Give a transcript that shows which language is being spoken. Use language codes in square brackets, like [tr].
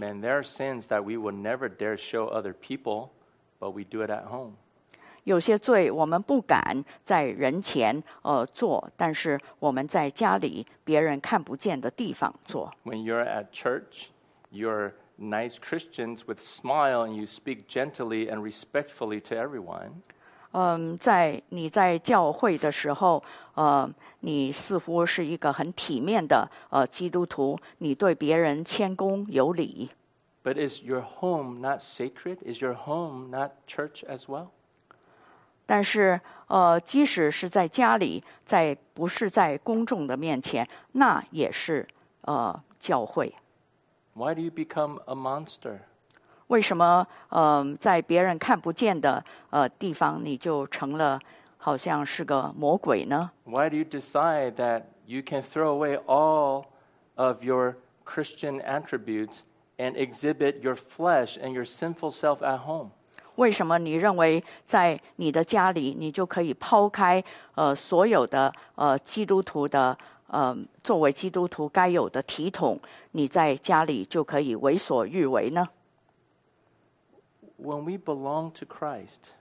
[en] And there are sins that we would never dare show other people, but we do it at home. [zh] 有些罪我们不敢在人前做，但是我们在家里别人看不见的地方做。 [en] When you're at church, you're nice Christians with smile and you speak gently and respectfully to everyone. [zh] 在你在教会的时候，你似乎是一个很体面的基督徒，你对别人谦恭有礼。 [en] But is your home not sacred? Is your home not church as well? [zh] 但是即使是在家里不是在公众的面前那也是教会。 [en] Why do you become a monster? [zh] 为什么在别人看不见的地方你就成了好像是个魔鬼呢? [en] Why do you decide that you can throw away all of your Christian attributes and exhibit your flesh and your sinful self at home? [zh] 为什么你认为在你的家里你就可以抛开所有的基督徒的作为基督徒该有的体统，你在家里就可以为所欲为呢？ [en] When we belong to Christ,